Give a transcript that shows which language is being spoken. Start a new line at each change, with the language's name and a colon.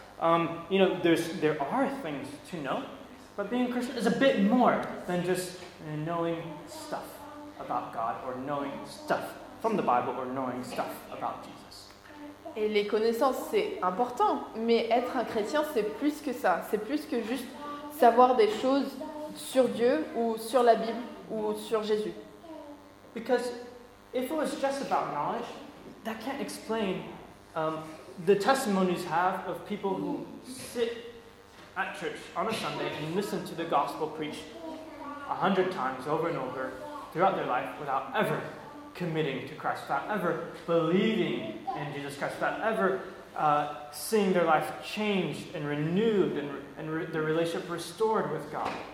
English: There are things to know, but being Christian is a bit more than just knowing stuff about God or knowing stuff from the Bible or knowing stuff about Jesus.
French: Et les connaissances, c'est important, mais être un chrétien, c'est plus que ça. C'est plus que juste savoir des choses sur Dieu ou sur la Bible ou sur Jésus.
English: Because if it was just about knowledge, that can't explain the testimonies have of people who sit at church on a Sunday and listen to the gospel preached 100 times over and over throughout their life without ever committing to Christ, without ever believing in Jesus Christ, without ever seeing their life changed and renewed and their relationship restored with God.